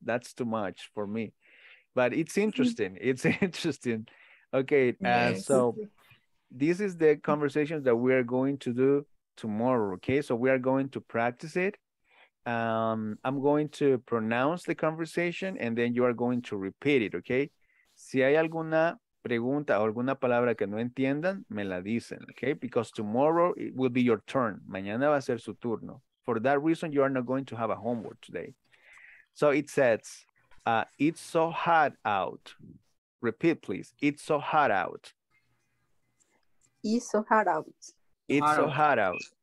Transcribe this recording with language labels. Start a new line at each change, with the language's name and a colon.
English: That's too much for me. But it's interesting. It's interesting. Okay. Yes. So this is the conversation that we are going to do tomorrow. Okay. So we are going to practice it. I'm going to pronounce the conversation and then you are going to repeat it. Okay.
Spanish: Si hay alguna pregunta o alguna palabra que no entiendan, me la dicen,
English: okay? Because tomorrow it will be your turn.
Spanish: Mañana va a ser su turno.
English: For that reason, you are not going to have a homework today. So it says, it's so hot out. Repeat, please. It's so hot out. It's so hot out. It's so hot out.